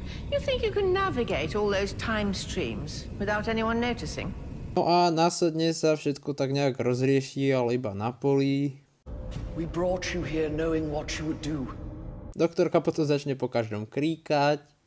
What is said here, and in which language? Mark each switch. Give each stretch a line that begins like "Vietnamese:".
English: You think you can navigate all those time streams without anyone noticing?
Slovak: No a následne sa všetko tak nejak rozrieši, ale iba na poli.
English: We brought you here knowing what you would do.
Slovak: Doktorka potom začne po každom kríkať.